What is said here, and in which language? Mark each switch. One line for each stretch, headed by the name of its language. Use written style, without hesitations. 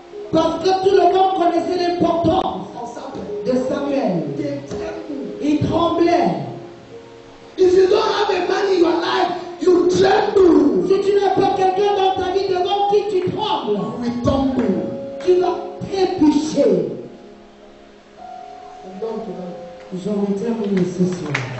French: Parce que tout le monde connaissait l'importance de Samuel. Il tremblait.
English: If you don't have a man in your life, you tremble.
French: Si tu n'as pas quelqu'un dans ta vie devant qui tu trembles,
English: we tremble.
French: Tu vas trébucher. J'en ai terminé ce soir.